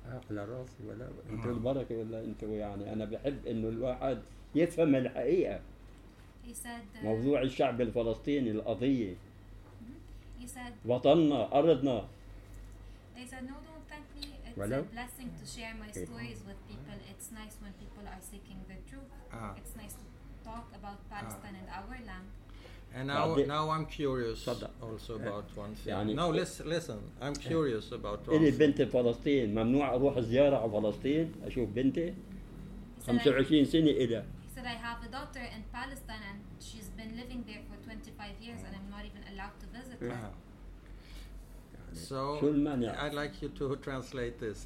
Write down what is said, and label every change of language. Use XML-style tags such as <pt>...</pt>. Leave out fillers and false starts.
<ar>لا راسي ولا انت البركه ولا انت يعني انا بحب انه الواحد يفهم الحقيقه موضوع الشعب الفلسطيني القضيه وطننا ارضنا</ar> <en>It's a blessing to share my stories with people. It's nice when people are seeking the truth. It's nice to talk about Palestine and our land. And now I'm curious also about one thing.</en> <ar>يعني</ar> <en>no, listen, I'm curious about one thing.</en> <ar>إلي بنتي فلسطين ممنوع أروح زيارة على فلسطين أشوف بنتي 25 سنة إلها.</ar> <en>He said I have a daughter in Palestine and she's been living there for 25 years and I'm not even allowed to visit her. يعني so I'd like you to translate this.</en>